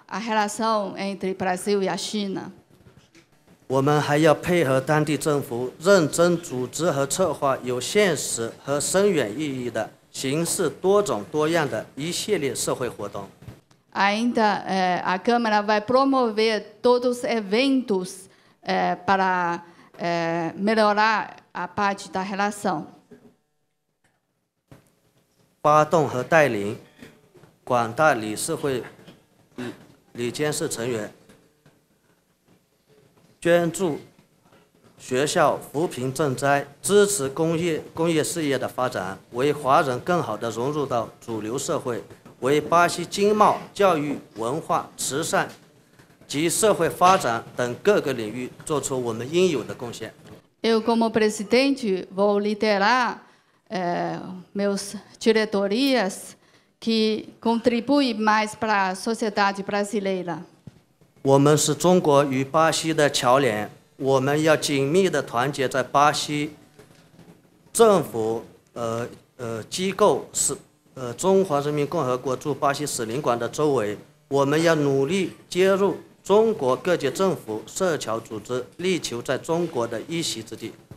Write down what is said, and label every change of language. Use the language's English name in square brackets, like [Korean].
[Portuguese] A relação entre Brasil e a China. [Chinese] 我们还要配合当地政府认真组织和策划有现实和深远意义的形式多种多样的一系列社会活动。 [Portuguese] Ainda, a Câmara vai promover todos os eventos para melhorar a parte da relação. [Chinese] 发动和带领广大理事会。理监事成员捐助学校扶贫赈灾，支持工业事业的发展，为华人更好地融入到主流社会，为巴西经贸、教育、文化、慈善及社会发展等各个领域做出我们应有的贡献。 [Portuguese] Eu como presidente vou liderar meus diretorias que contribuem mais para a sociedade brasileira. [Chinese] 我们是中国与巴西的桥梁，我们要紧密的团结在巴西政府机构中华人民共和国驻巴西使领馆的周围，我们要努力接入中国各界政府、社侨组织，力求在中国的一席之地。